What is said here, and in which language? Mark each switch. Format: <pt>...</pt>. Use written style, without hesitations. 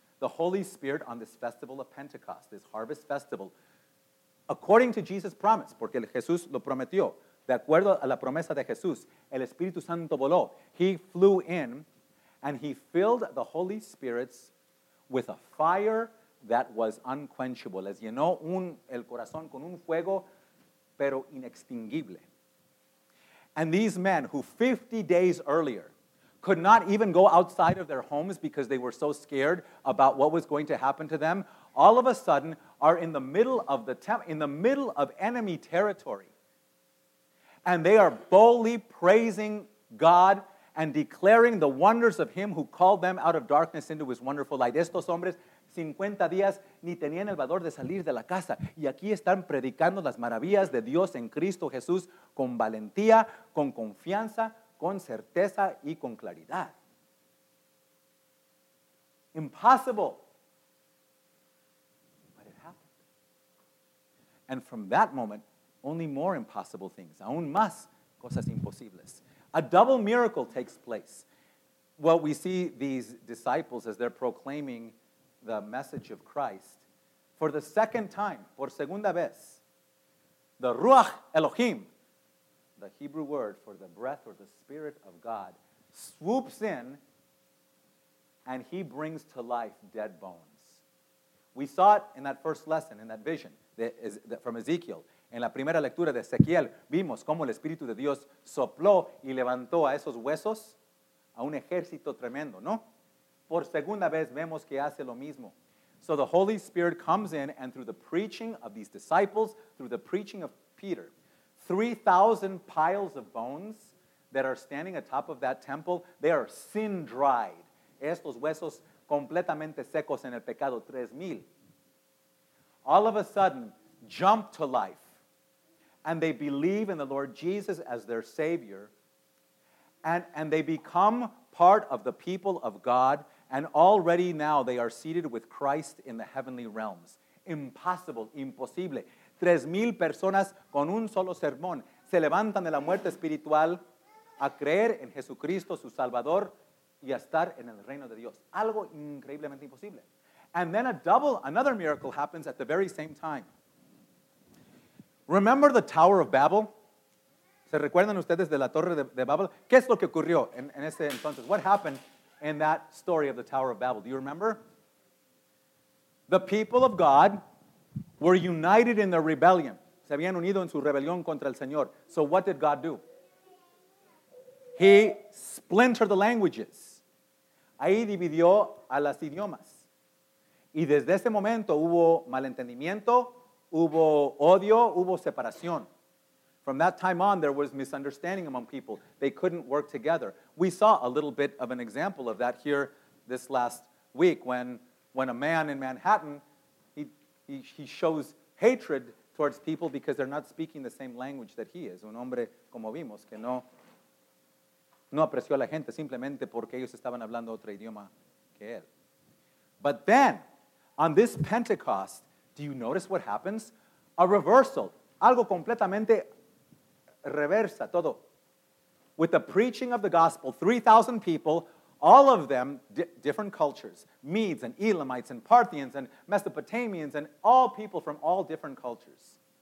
<en>The Holy Spirit on this festival of Pentecost, this harvest festival, according to Jesus' promise,</en> <es>porque Jesús lo prometió, de acuerdo a la promesa de Jesús, el Espíritu Santo voló.</es> <en>He flew in, and he filled the Holy Spirits with a fire that was unquenchable.</en> <es>Les llenó el corazón con un fuego, pero inextinguible.</es> <en>And these men, who 50 days earlier could not even go outside of their homes because they were so scared about what was going to happen to them, all of a sudden are in the middle of the middle of enemy territory. And they are boldly praising God and declaring the wonders of him who called them out of darkness into his wonderful light.</en> <es>Estos hombres, 50 días, ni tenían el valor de salir de la casa. Y aquí están predicando las maravillas de Dios en Cristo Jesús con valentía, con confianza, con certeza y con claridad.</es> <en>Impossible. But it happened. And from that moment, only more impossible things.</en> <es>Aún más cosas imposibles.</es> <en>A double miracle takes place. Well, we see these disciples as they're proclaiming the message of Christ. For the second time,</en> <es>por segunda vez,</es> <en>the Ruach Elohim, the Hebrew word for the breath or the Spirit of God, swoops in and he brings to life dead bones. We saw it in that first lesson, in that vision from Ezekiel.</en> <es>En la primera lectura de Ezequiel, vimos cómo el Espíritu de Dios sopló y levantó a esos huesos a un ejército tremendo, ¿no? Por segunda vez vemos que hace lo mismo.</es> <en>So the Holy Spirit comes in, and through the preaching of these disciples, through the preaching of Peter, 3,000 piles of bones that are standing atop of that temple, they are sin dried.</en> <es>Estos huesos completamente secos en el pecado, 3,000.</es> <en>All of a sudden, jump to life. And they believe in the Lord Jesus as their Savior. And they become part of the people of God. And already now they are seated with Christ in the heavenly realms. Impossible, imposible.</en> <es>3,000 personas con un solo sermón se levantan de la muerte espiritual a creer en Jesucristo, su Salvador, y a estar en el reino de Dios. Algo increíblemente imposible.</es> <en>And then another miracle happens at the very same time. Remember the Tower of Babel?</en> <es>¿Se recuerdan ustedes de la Torre de Babel? ¿Qué es lo que ocurrió en ese entonces?</es> <en>What happened in that story of the Tower of Babel? Do you remember? The people of God were united in their rebellion.</en> <es>Se habían unido en su rebelión contra el Señor.</es> <en>So what did God do? He splintered the languages.</en> <es>Ahí dividió a las idiomas. Y desde ese momento hubo malentendimiento, hubo odio, hubo separación.</es> <en>From that time on, there was misunderstanding among people. They couldn't work together. We saw a little bit of an example of that here this last week when a man in Manhattan, he shows hatred towards people because they're not speaking the same language that he is.</en> <es>Un hombre, como vimos, que no apreció a la gente simplemente porque ellos estaban hablando otro idioma que él.</es> <en>But then, on this Pentecost, do you notice what happens? A reversal.</en> <es>Algo completamente reversa todo.</es> <en>With the preaching of the gospel, 3,000 people, all of them different cultures, Medes and Elamites and Parthians and Mesopotamians and all people from all different cultures.</en>